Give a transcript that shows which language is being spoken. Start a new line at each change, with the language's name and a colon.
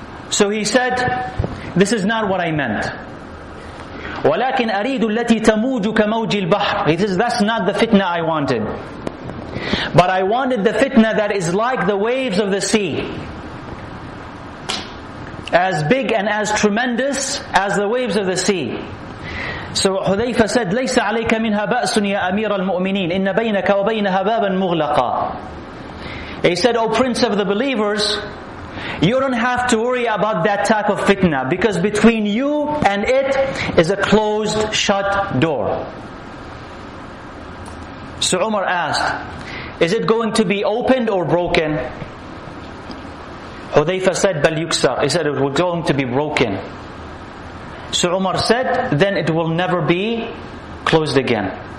English: So he said, "This is not what I meant."
Arabic: وَلَكِنْ أَرِيدُ الَّتِي تَمُوجُ كَمَوْجِ الْبَحْرِ.
English: He says, "That's not the fitna I wanted. But I wanted the fitna that is like the waves of the sea. As big and as tremendous as the waves of the sea." So Hudhaifa said,
Arabic: "لَيْسَ عَلَيْكَ مِنْهَا بَأْسٌ يَا أَمِيرَ الْمُؤْمِنِينَ إِنَّ بَيْنَكَ وَبَيْنَهَا بَابًا مُغْلَقًا."
English: He said, "O Prince of the Believers, You don't have to worry about that type of fitna, because between you and it is a closed, shut door. So Umar asked, is it going to be opened or broken? Hudhayfa said,
Arabic: bal yuksar.
English: He said, it was going to be broken. So Umar said, then it will never be closed again.